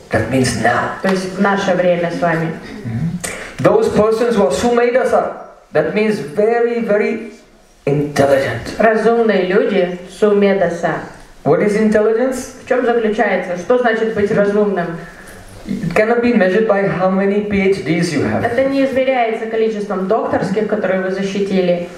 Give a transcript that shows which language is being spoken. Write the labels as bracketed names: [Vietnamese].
[English] that means now. [Russian] То есть в наше время с вами. [English] Those persons were sumedasa. That means very, very intelligent. [Russian] Разумные люди sumedasa. [English] What is intelligence? [Russian] В чем заключается? Что значит быть разумным? [English] It cannot be measured by how many PhDs you have. [Russian] Это не измеряется количеством докторских, которые вы защитили.